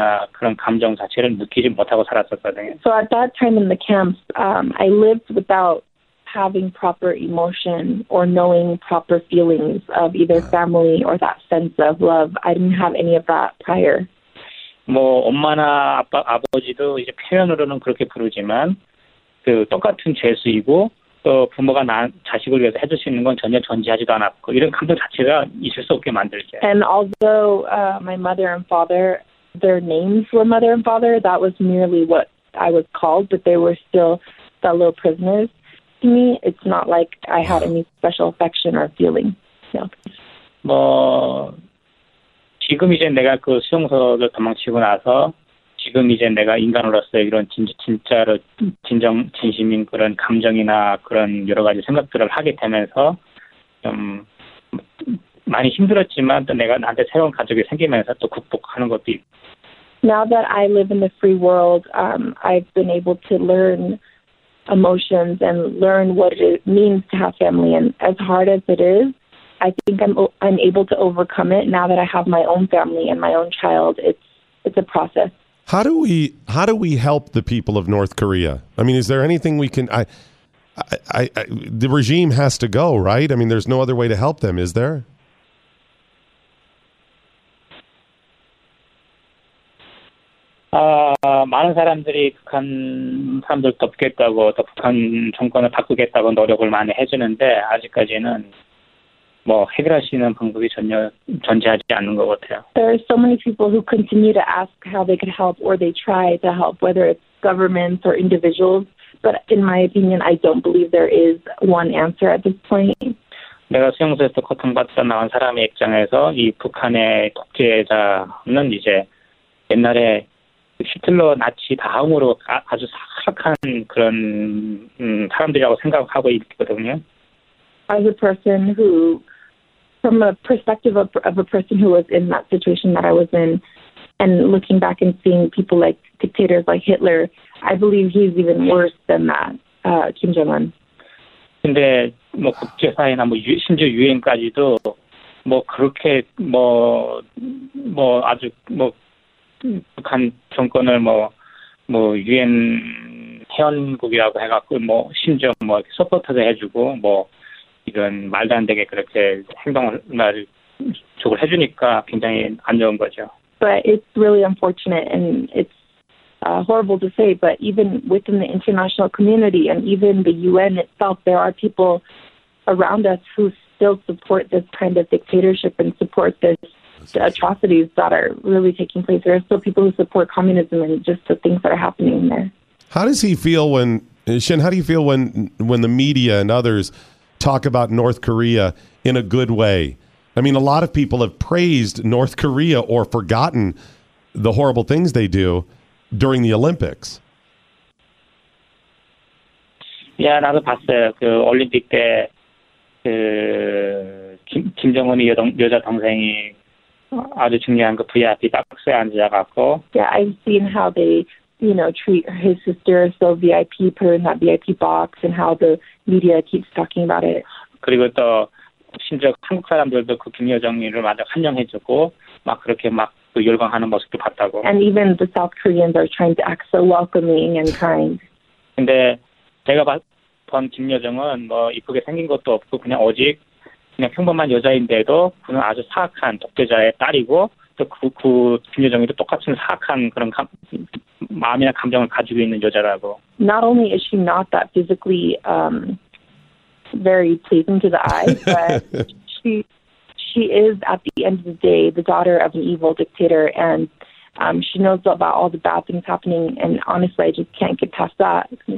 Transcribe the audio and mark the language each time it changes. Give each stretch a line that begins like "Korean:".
English: at that time in the camps, I lived without having proper emotion or knowing proper feelings of either family or that sense of love. I didn't have any of that prior.
Korean: 뭐 엄마나 아빠 아버지도 이제 표현으로는 그렇게 부르지만 그 똑같은 죄수이고 또 부모가 나 자식을 위해서 해줄 수 있는 건 전혀 존재하지도 않았고 이런 감정 자체가 있을 수 없게 만들죠.
English: And although my mother and father, their names were mother and father, that was merely what I was called, but they were still fellow prisoners. To me, it's not like I had any special affection or feeling. No.
Korean: 뭐 지금 이제 내가 그 수용소를 도망치고 나서 지금 이제 내가 인간으로서 이런 진심인 그런 감정이나 그런 여러 가지 생각들을 하게 되면서 좀 많이 힘들었지만 또 내가 나한테 새로운 가족이 생기면서 또 극복하는 것도 있고.
English: Now that I live in the free world, I've been able to learn emotions and learn what it means to have family. And as hard as it is, I think I'm able to overcome it now that I have my own family and my own child. It's a process. How do we help the people of North Korea? I mean, is there anything we can? the regime has to go, right? I mean, there's no other way to help them, is there? There are so many people who continue to ask how they could help, or they try to help, whether it's governments or individuals. But in my opinion, I don't believe there is one answer at this point.
Korean: 내가 수용소에서 고통받다 나온 사람의 입장에서 이 북한의 독재자는 이제 옛날에 히틀러 나치 다음으로 아주 사악한 그런 사람들이라고 생각하고 있거든요.
English: As a person who, from a perspective of a person who was in that situation that I was in, and looking back and seeing people like dictators like Hitler, I believe he's even worse than that, Kim Jong-un.
Korean: 근데 뭐 국제사회나 뭐 심지어 유엔까지도 뭐 그렇게 뭐 아주 뭐 북한 정권을 뭐 유엔 회원국이라고 해갖고 뭐 심지어 뭐 서포터도 해주고 뭐 이런 말도 안 되게 그렇게 행동을 쪽을 해주니까 굉장히 안 좋은 거죠.
English: But it's really unfortunate and it's horrible to say, but even within the international community and even the UN itself, there are people around us who still support this kind of dictatorship and support this. The atrocities that are really taking place. There are still people who support communism and just the things that are happening there. How does he feel when, Shin, how do you feel when the media and others talk about North Korea in a good way? I mean, a lot of people have praised North Korea or forgotten the horrible things they do during the Olympics.
Korean: Yeah, 나도 봤어요. 그 올림픽 때 그 김정은이 여자 동생이 아주 중요한 그 VIP 박스에 앉아갖고.
English: Yeah, I've seen how they, you know, treat his sister so VIP, put her in that VIP box, and how the media keeps talking about it.
Korean: 그리고 또 심지어 한국 사람들도 그 김여정이를 마저 환영해주고 막 그렇게 막 그 열광하는 모습도 봤다고.
English: And even the South Koreans are trying to act so welcoming and kind.
Korean: 근데 제가 본 김여정은 뭐 이쁘게 생긴 것도 없고 그냥 오직 그냥 평범한 여자인데도 그는 아주 사악한 독재자의 딸이고 또 그 김여정이도 똑같은 사악한 그런 마음이나 감정을 가지고 있는 여자라고.
English: Not only is she not that physically very pleasing to the eye, but she is at the end of the day the daughter of an evil dictator, and she knows about all the bad things happening. And honestly, I just can't get past that.